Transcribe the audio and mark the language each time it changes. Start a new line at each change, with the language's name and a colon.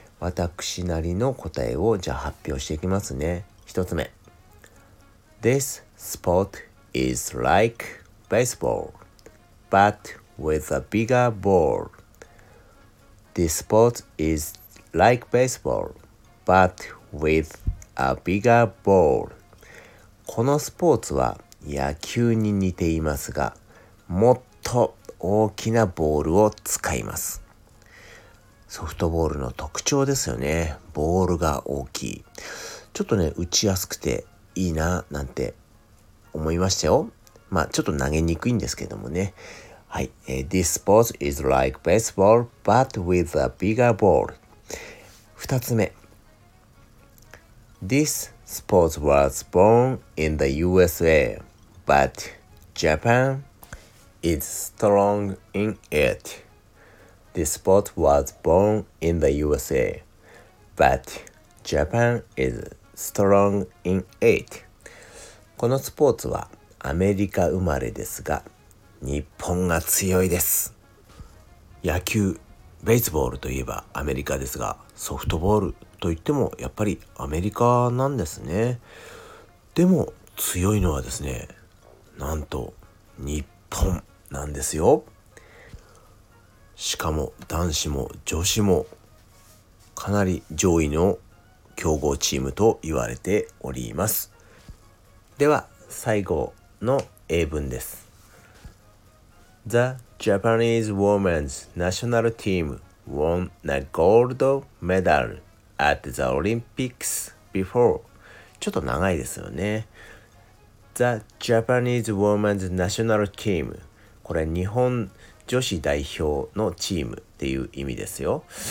Japanese: 私なりの答えをじゃあ発表していきますね。
English: 1つ目、 This sport is like baseball but with a bigger ball. This sport is like baseball but with a bigger ball.
Japanese: このスポーツは野球に似ていますが、もっと大きなボールを使います。ソフトボールの特徴ですよね。ボールが大きい。ちょっとね、打ちやすくていいななんて思いましたよ。まあ、ちょっと投げにくいんですけどもね。はい。
English: This sport is like baseball, but with a bigger ball.
Japanese: 二つ目。
English: This sport was born in the USA, but Japan is strong in it. This sport was born in the USA, but Japan is strong in it.
Japanese: このスポーツはアメリカ生まれですが、日本が強いです。野球、ベースボールといえばアメリカですが、ソフトボールといってもやっぱりアメリカなんですね。でも強いのはですね、なんと日本なんですよ。しかも男子も女子もかなり上位の強豪チームと言われております。では最後の英文です。
English: The Japanese women's national team won a gold medal at the Olympics before.
Japanese: ちょっと長いですよね。
English: The Japanese women's national team。
Japanese: これ日本女子代表のチームっていう意味ですよ。